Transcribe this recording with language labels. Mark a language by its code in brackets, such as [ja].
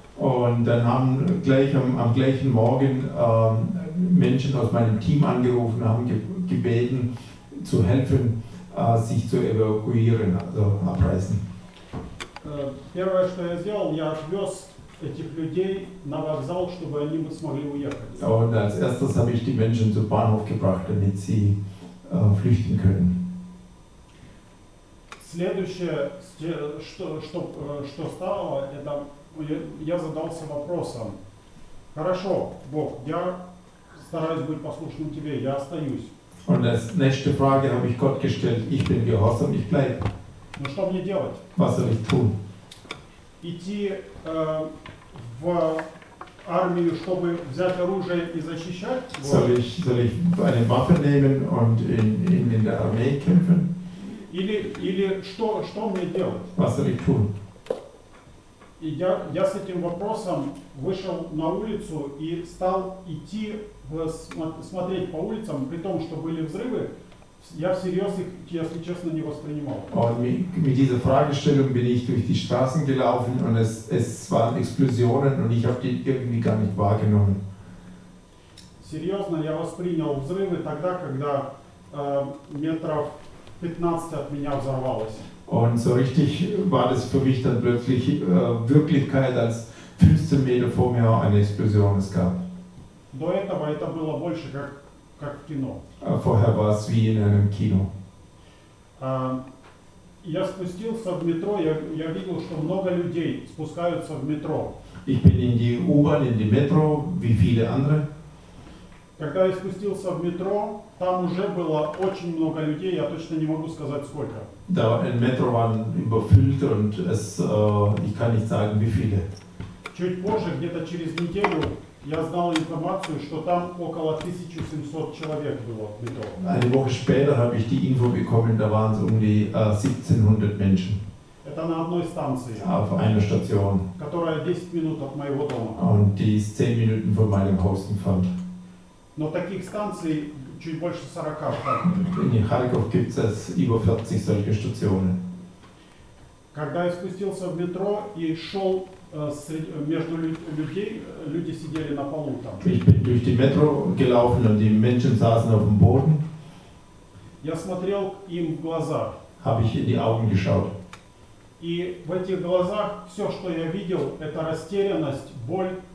[de] Und dann haben gleich am gleichen Morgen Menschen aus meinem Team angerufen, haben gebeten zu helfen, sich zu evakuieren, also abreisen. [ru] Первое, что я сделал, я отвез этих людей на вокзал, чтобы они смогли уехать. [de] Und als erstes habe ich die Menschen zum Bahnhof gebracht, damit sie flüchten können. [ru] Следующее, что стало, это я задался вопросом: хорошо, Бог, я стараюсь быть послушным тебе, я остаюсь. [de] Und als nächste Frage habe ich Gott gestellt: Ich bin gehorsam, ich bleibe. [ru] Ну что мне делать? [de] Was soll ich tun? [ru] Идти в армию, чтобы взять оружие и защищать? [de] Soll ich eine Waffe nehmen und in der Armee kämpfen? [ru] Или что мне делать? [de] Was soll ich tun? [ru] И я с этим вопросом вышел на улицу и стал идти смотреть по улицам, при том, что были взрывы, я всерьез их, если честно, не воспринимал. [de] Mit dieser Fragestellung bin ich durch die Straßen gelaufen und es waren Explosionen und ich habe die irgendwie gar nicht wahrgenommen. [ru] Серьезно, я воспринял взрывы тогда, когда метров 15 от меня взорвалось. [de] Und so richtig war das für mich dann plötzlich Wirklichkeit, als 15 Meter vor mir eine Explosion es gab. [ru] До этого это было больше как в кино. [de] Vorher war es wie in einem Kino. [ru] Я спустился в метро, я видел, что много людей спускаются в метро. [de] Ich bin in die U-Bahn, in die Metro, wie viele andere. [ru] Когда я спустился в метро, там уже было очень много людей, я точно не могу сказать сколько. [de] Да, in Metro waren überfüllt und es ich kann nicht sagen, wie viele. [ru] Чуть позже, где-то через неделю, я знал информацию, что там около 1700 человек было в метро. [de] Eine Woche später habe ich die Info bekommen, da waren es um die 1700 Menschen. [ru] Это на одной станции. [de] Auf einer Station. [ru] Которая 10 минут от моего дома. [de] Und die ist 10 Minuten von meinem Haus entfernt. [ru] Но таких станций чуть больше 40. [de] In Kharkov gibt es über 40 solche Stationen. [ru] Когда я спустился в метро и шел между людей, люди сидели на полу там. [de] Ich bin durch die Metro gelaufen und die Menschen saßen auf dem Boden. [ru] Я смотрел им в глаза. [de] Habe ich in die Augen geschaut. [ru] И в этих глазах все, что я видел, это растерянность, боль.